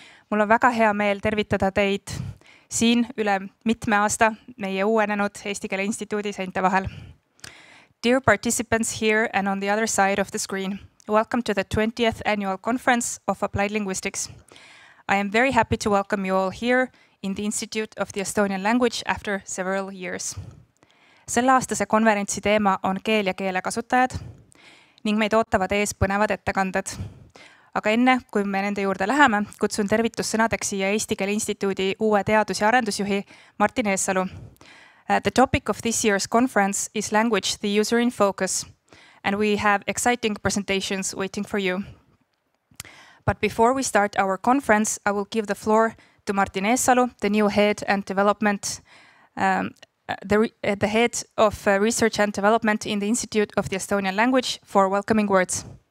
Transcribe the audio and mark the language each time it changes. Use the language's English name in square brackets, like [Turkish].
[Estonian] Mul on väga hea meel tervitada teid siin üle mitme aasta meie uuenenud Eesti keele instituudi seinte vahel. [English] Dear participants here and on the other side of the screen, welcome to the 20th annual conference of Applied Linguistics. I am very happy to welcome you all here in the Institute of the Estonian Language after several years. [Estonian] Selle aastase konverentsi teema on keel ja keele kasutajad ning meid ootavad ees põnevad ettekanded. Aga enne, kui me nende juurde läheme, kutsun tervitussõnadeks siia Eesti keele instituudi uue teadus- ja arendusjuhi Martin Eessalu. [English] The topic of this year's conference is language, the user in focus, and we have exciting presentations waiting for you. But before we start our conference, I will give the floor to Martin Eessalu, the new head and development the head of research and development in the Institute of the Estonian Language for welcoming words.